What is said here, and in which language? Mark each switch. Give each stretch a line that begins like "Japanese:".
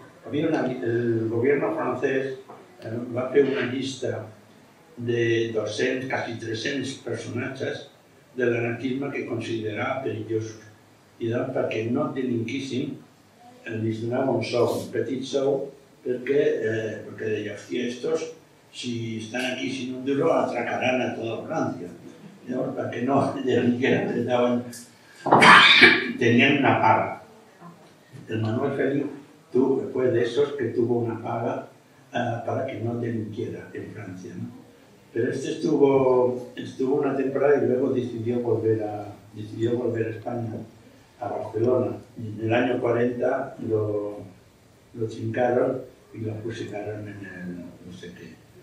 Spanish: El gobierno francés va a hacer una lista de 200, casi 300 personajes del anarquismo que considera peligrosos.
Catalan: i doncs perquè no delinquíssim, li donava un sou, un petit sou, perquè, perquè deia, hòstia, estos, si estan aquí
Spanish: sin un duro,
Catalan: atracaran a tota Francia. Llavors, perquè no delinquíssim, tenien una paga.
Spanish: El Manuel Feliu, tu, después de esos, que tuvo una paga para que no delinquiera en Francia, ¿no? Pero este estuvo una temporada y luego decidió volver a España, a Barcelona. Y en el año 40 lo chincaron y lo fusilaron en el, no sé qué.